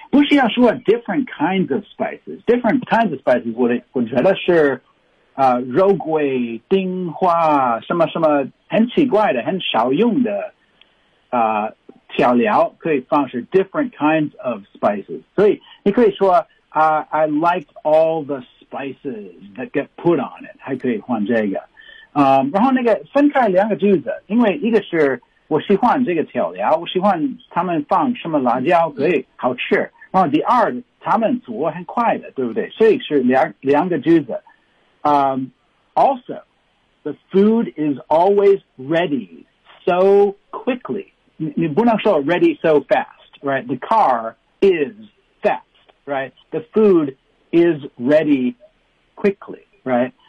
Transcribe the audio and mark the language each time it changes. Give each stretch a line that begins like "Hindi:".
Chinese: 不是要说
English: different kinds of spices.
Chinese: Different kinds of spices, 我觉得是肉桂、丁花、什么什么很奇怪的、很少用的调料，可以放是 different kinds of spices. 所以你可以说
English: I like all the spices that get put on it.
Chinese: 还可以换这个。然后那个分开两个句子，因为一个是我喜欢这个调料，我喜欢他们放什么辣椒，可以好吃。然后第二，他们煮很快的，对不对？所以是两个句子。
English: Also, the food is always ready so quickly.
Chinese: 你不能说
English: ready so fast, right? The car is fast, right? The food is ready quickly, right?